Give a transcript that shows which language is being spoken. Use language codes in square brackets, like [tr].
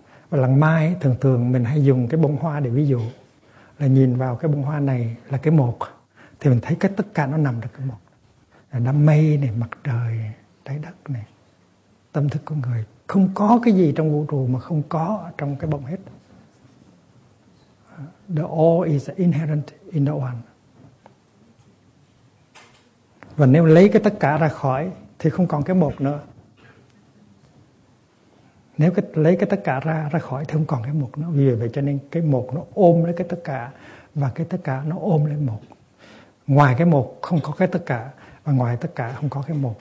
[vi] Và lần mai thường thường mình hay dùng cái bông hoa để ví dụ là nhìn vào cái bông hoa này là cái một thì mình thấy cái tất cả nó nằm trong cái một. Là đám mây này, mặt trời, trái đất này, tâm thức con người. Không có cái gì trong vũ trụ mà không có trong cái bông hết. [en] The all is inherent in the one. [vi] Và nếu lấy cái tất cả ra khỏi thì không còn cái một nữa. Nếu lấy cái tất cả ra khỏi thì không còn cái một nữa. Vì vậy cho nên cái một nó ôm lấy cái tất cả và cái tất cả nó ôm lấy một. Ngoài cái một không có cái tất cả và ngoài tất cả không có cái một.